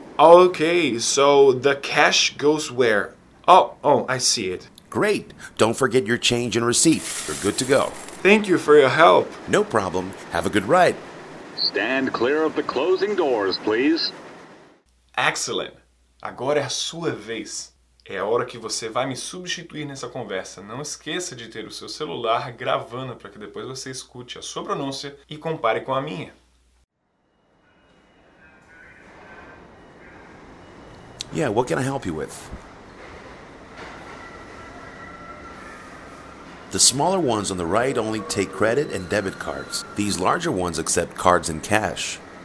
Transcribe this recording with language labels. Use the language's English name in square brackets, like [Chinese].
[English] Okay, so the cash goes where? Oh, I see it. Great. Don't forget your change and receipt. You're good to go. Thank you for your help. No problem. Have a good ride. Stand clear of the closing doors, please. Excellent. [Portuguese] Agora é a sua vez. É a hora que você vai me substituir nessa conversa. Não esqueça de ter o seu celular gravando para que depois você escute a sua pronúncia e compare com a minha. [English] Yeah, what can I help you with? The smaller ones on the right only take credit and debit cards. These larger ones accept cards and cash.